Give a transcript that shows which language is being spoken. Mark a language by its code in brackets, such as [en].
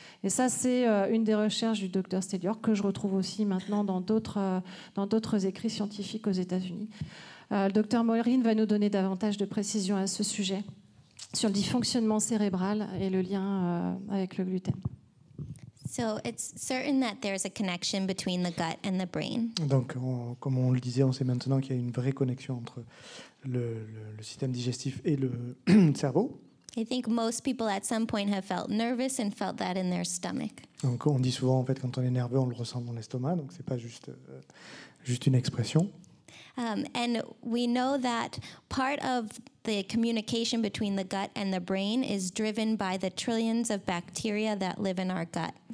[fr] Et ça, c'est une des recherches du docteur Stelior, que je retrouve aussi maintenant dans d'autres écrits scientifiques aux États-Unis. Le docteur Maureen va nous donner davantage de précisions à ce sujet, sur le dysfonctionnement cérébral et le lien avec le gluten. [en] So it's certain that there's a connection between the gut and the brain. [fr] Donc, comme on le disait, on sait maintenant qu'il y a une vraie connexion entre le système digestif et le cerveau. [en] I think most people at some point have felt nervous and felt that in their stomach. [fr] Donc, on dit souvent en fait quand on est nerveux, on le ressent dans l'estomac, donc c'est pas juste une expression. [en] And we know that part of the communication between the gut and the brain is driven by the trillions of bacteria that live in our gut.